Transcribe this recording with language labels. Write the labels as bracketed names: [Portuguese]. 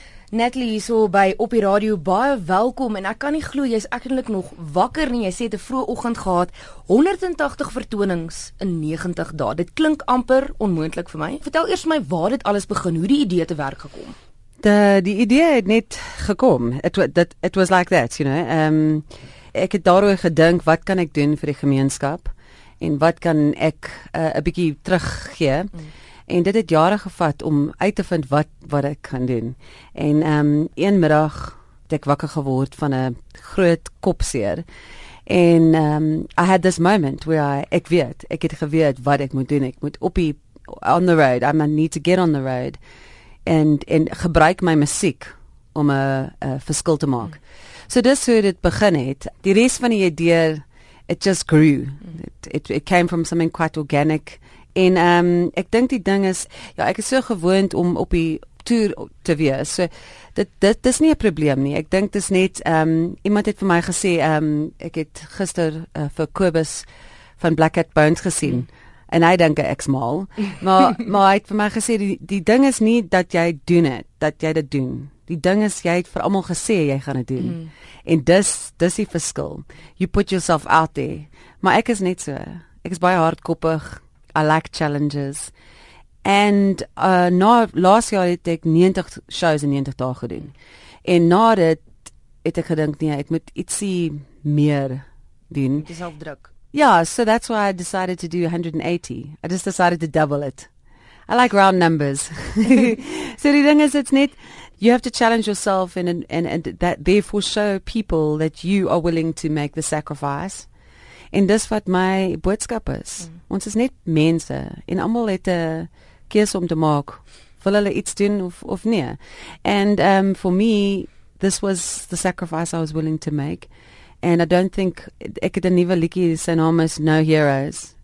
[Afrikaans] Natalie hier so by op die radio, baie welkom en ek kan nie glo, jy is eintlik nog wakker nie, jy sê het 'n vroeë oggend gehad, 180 vertonings in 90 dae, dit klink amper onmoontlik vir my. Vertel eers my waar dit alles begin, hoe die idee te werk gekom? Die idee het net gekom, [English] it was like that, you know. [Afrikaans] Ek het daaroor gedink, wat kan ek doen vir die gemeenskap en wat kan ek 'n bietjie teruggee? En dit het jare gevat om uit te vind wat ek kan doen. En een middag het ek wakker geword van 'n groot kopseer. En [English] I had this moment where [Afrikaans] ek het geweet wat ek moet doen. Ek moet [English] on the road. I need to get on the road. [Afrikaans] En gebruik my musiek om 'n verskil te maak. So dis hoe dit begin het. Die res van die idee, [English] it just grew. It came from something quite organic. [Afrikaans] En ek dink die ding is, ja, ek is so gewoond om op die tour te wees, so dit is nie 'n probleem nie, ek dink dis net, iemand het vir my gesê, ek het gister vir Kobus van Black Hat Bones gesien, en hy dink ek's mal, maar hy het vir my gesê, die ding is nie dat jy doen het, dat jy dit doen, die ding is, jy het vir allemaal gesê, jy gaan dit doen, en dis die verskil, [English] you put yourself out there, [Afrikaans] maar ek is net so, ek is baie hardkoppig, [English] I like challenges. [Afrikaans] And na laas jaar het ek 90 shows in 90 dae gedoen. En na dit het ek gedink, nee, ek moet ietsie meer doen. Het is half druk. [English] Yeah, so that's why I decided to do 180. I just decided to double it. I like round numbers. [Afrikaans] So die ding is, [English] it's net, you have to challenge yourself and that therefore show people that you are willing to make the sacrifice. [Afrikaans] En dis wat my boodskap is. Ons is net mense en almal het 'n keuse om te maak. Wil hulle iets doen of nie? [English] And for me, this was the sacrifice I was willing to make. And I don't think, [Afrikaans] ek het 'n nuwe liedjie, sy naam is No Heroes.